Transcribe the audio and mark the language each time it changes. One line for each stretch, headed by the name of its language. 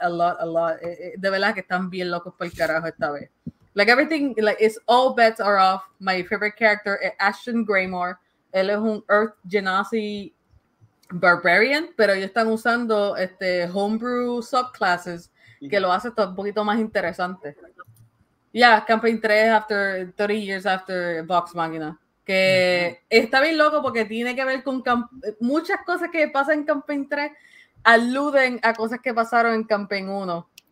Spanish: De verdad que están bien locos por el carajo esta vez.
English: Like everything, like it's all bets are off. My favorite character is Ashton Graymore.
Spanish: Él es un Earth Genasi Barbarian, pero ellos están usando homebrew subclasses que lo hace todo un poquito más interesante.
English: Yeah, campaign 3 after 30 years after Vox Machina.
Spanish: Que está bien loco porque tiene que ver con muchas cosas que pasan en campaign 3 aluden a cosas que pasaron en campaign 1.